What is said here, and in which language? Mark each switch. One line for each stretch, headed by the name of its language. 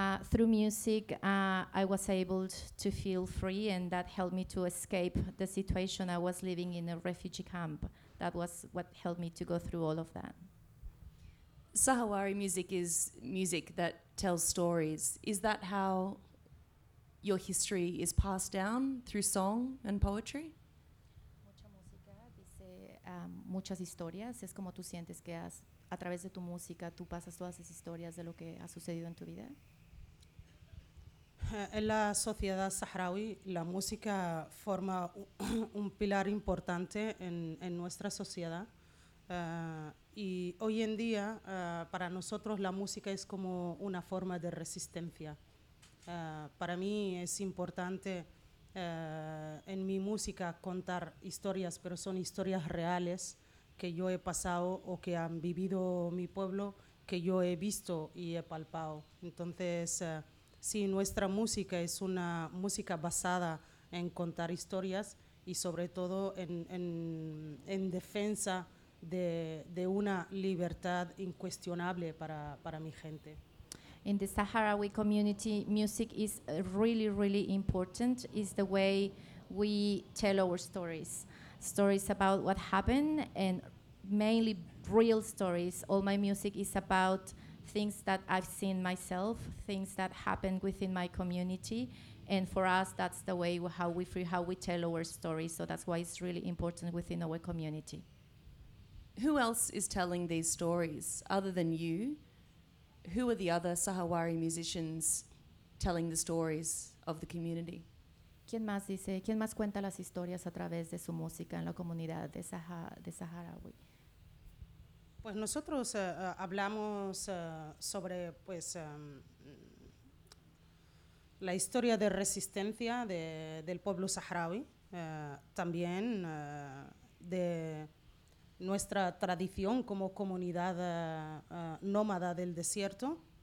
English: Through music, I was able to feel free, and that helped me to escape the situation I was living in a refugee camp. That was what helped me to go through all of that. Sahawari music is music that tells stories. Is that how your history is passed down, through song and poetry?
Spanish: Mucha música dice muchas historias. Es como tú sientes que a través de tu música tú pasas todas esas historias de lo que ha sucedido en tu vida. En la sociedad saharaui, la música forma un pilar importante en nuestra sociedad. Y hoy en día, para nosotros, la música es como una forma de resistencia. Para mí es importante en mi música contar historias, pero son historias reales que yo he pasado o que han vivido mi pueblo, que yo he visto y he palpado. Entonces, sí, nuestra música es una música basada en contar historias y sobre todo en defensa de una libertad incuestionable para mi gente.
English: In the Sahrawi community, music is really, really important. It's the way we tell our stories. Stories about what happened and mainly real stories. All my music is about things that I've seen myself, things that happened within my community, And for us, that's the way how we tell our story. So that's why it's really important within our community. Who else is telling these stories other than you? Who are the other Sahawari musicians telling the stories of the community?
Spanish: ¿Quién más dice? ¿Quién más cuenta las historias a través de su música en la comunidad de Sahrawi? Pues nosotros hablamos sobre pues la historia de resistencia del pueblo saharaui, también de nuestra tradición como comunidad nómada del desierto.